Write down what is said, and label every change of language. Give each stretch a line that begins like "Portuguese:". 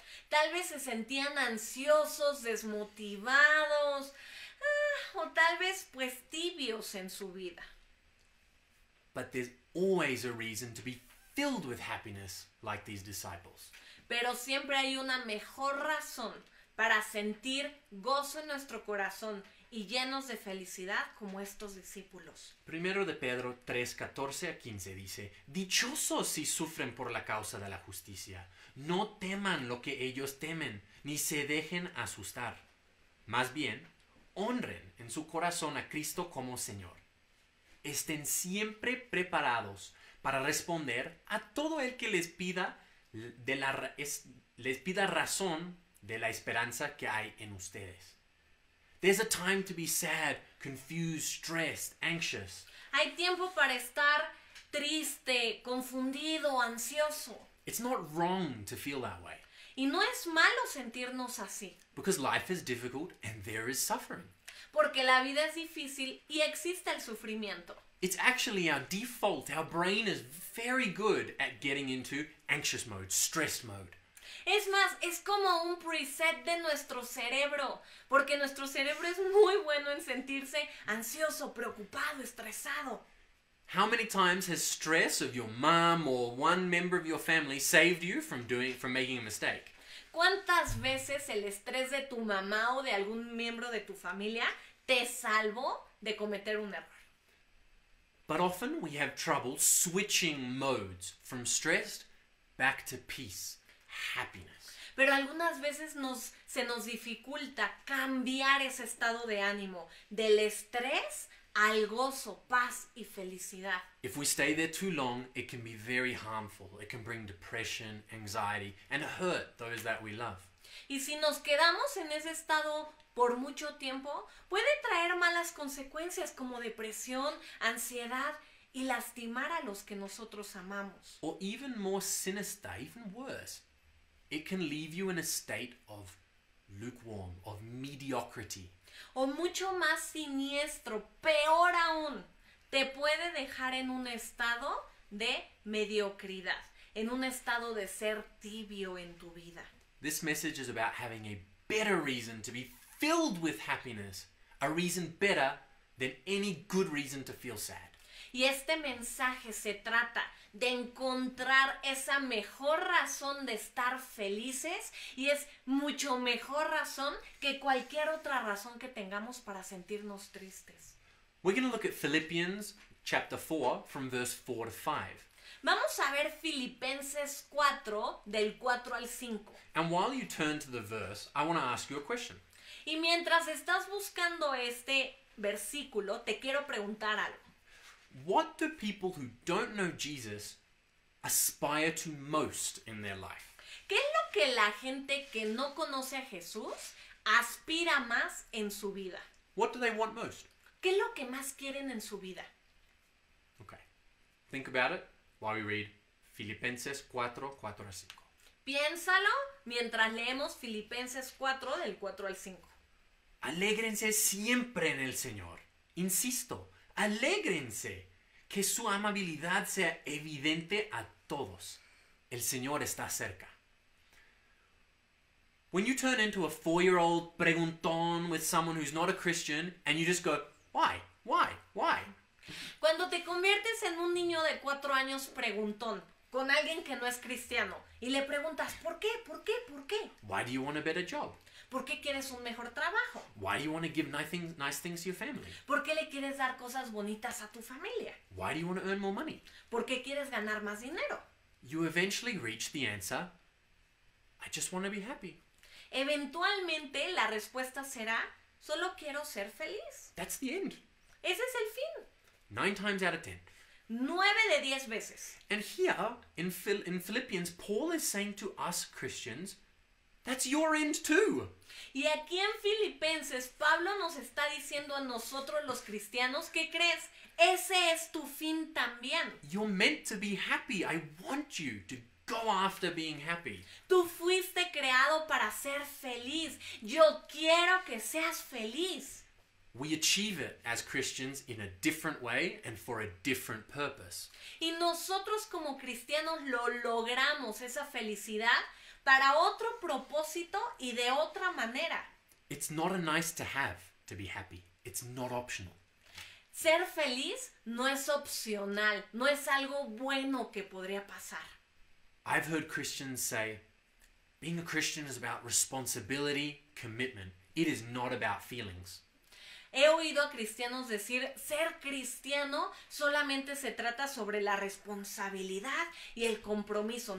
Spanish: Tal vez se sentían ansiosos, desmotivados, o tal vez pues tibios en su vida.
English: But there's always a reason to be filled with happiness like these disciples.
Spanish: Pero siempre hay una mejor razón para sentir gozo en nuestro corazón y llenos de felicidad como estos discípulos. Primero de Pedro 3, 14 a 15 dice, dichosos si sufren por la causa de la justicia. No teman lo que ellos temen, ni se dejen asustar. Más bien, honren en su corazón a Cristo como Señor. Estén siempre preparados para responder a todo el que les pida razón de la esperanza que hay en ustedes.
English: There's a time to be sad, confused, stressed, anxious.
Spanish: Hay tiempo para estar triste, confundido, ansioso.
English: It's not wrong to feel that way.
Spanish: Y no es malo sentirnos así.
English: Because life is difficult and there is suffering.
Spanish: Porque la vida es difícil y existe el sufrimiento.
English: It's actually our default. Our brain is very good at getting into anxious mode, stress mode.
Spanish: Es más, es como un preset de nuestro cerebro, porque nuestro cerebro es muy bueno en sentirse ansioso, preocupado, estresado.
English: How many times has stress of your mom or one member of your family saved you from making a mistake?
Spanish: ¿Cuántas veces el estrés de tu mamá o de algún miembro de tu familia te salvó de cometer un error?
English: But often we have trouble switching modes from stressed back to peace. Happiness.
Spanish: Pero algunas veces se nos dificulta cambiar ese estado de ánimo del estrés al gozo, paz y felicidad.
English: If we stay there too long, it can be very harmful. It can bring depression, anxiety, and hurt those that we love.
Spanish: Y si nos quedamos en ese estado por mucho tiempo, puede traer malas consecuencias como depresión, ansiedad y lastimar a los que nosotros amamos.
English: Or even more sinister, even worse. It can leave you in a state of lukewarm, of mediocrity.
Spanish: O mucho más siniestro, peor aún, te puede dejar en un estado de mediocridad, en un estado de ser tibio en tu vida.
English: This message is about having a better reason to be filled with happiness, a reason better than any good reason to feel sad.
Spanish: Y este mensaje se trata de encontrar esa mejor razón de estar felices y es mucho mejor razón que cualquier otra razón que tengamos para sentirnos tristes.
English: We're going to look at Philippians chapter 4 from verse 4 to 5.
Spanish: Vamos a ver Filipenses 4 del 4 al 5.
English: And while you turn to the verse, I want to ask you a question.
Spanish: Y mientras estás buscando este versículo, te quiero preguntar algo.
English: What do people who don't know Jesus aspire to most in their life?
Spanish: ¿Qué es lo que la gente que no conoce a Jesús aspira más en su vida?
English: What do they want most?
Spanish: ¿Qué es lo que más quieren en su vida?
English: Okay. Think about it while we read
Spanish: Filipenses 4, 4 al 5. Piénsalo mientras leemos Filipenses 4, del 4 al 5. Alégrense siempre en el Señor. Insisto. Alégrense, que su amabilidad sea evidente a todos. El Señor está cerca.
English: When you turn into a four-year-old preguntón with someone who's not a Christian, and you just go, why, why, why?
Spanish: Cuando te conviertes en un niño de cuatro años preguntón con alguien que no es cristiano, y le preguntas, ¿por qué, por qué, por qué?
English: Why do you want a better job?
Spanish: ¿Por qué quieres un mejor trabajo?
English: Why do you want to give nice things to your family?
Spanish: ¿Por qué le quieres dar cosas bonitas a tu familia?
English: Why do you want to earn more money?
Spanish: ¿Por qué quieres ganar más dinero?
English: You eventually reach the answer, I just want to be happy.
Spanish: Eventualmente la respuesta será, solo quiero ser feliz.
English: That's the end.
Spanish: Ese es el fin.
English: 9 times out of 10.
Spanish: 9 de 10 veces.
English: And here, in Philippians, Paul is saying to us Christians, That's your end too.
Spanish: Y aquí en Filipenses, Pablo nos está diciendo a nosotros los cristianos, ¿qué crees? Ese es tu fin también.
English: You're meant to be happy. I want you to go after being happy.
Spanish: Tú fuiste creado para ser feliz. Yo quiero que seas feliz.
English: We achieve it as Christians in a different way and for a different purpose.
Spanish: Y nosotros como cristianos lo logramos, esa felicidad, para otro propósito y de otra manera.
English: It's not a nice to have to be happy. It's not optional.
Spanish: Ser feliz no es opcional, no es algo bueno que podría pasar.
English: I've heard Christians say, being a Christian is about responsibility, commitment. It is not about feelings.
Spanish: He oído a cristianos decir, ser cristiano solamente se trata sobre la responsabilidad y el compromiso.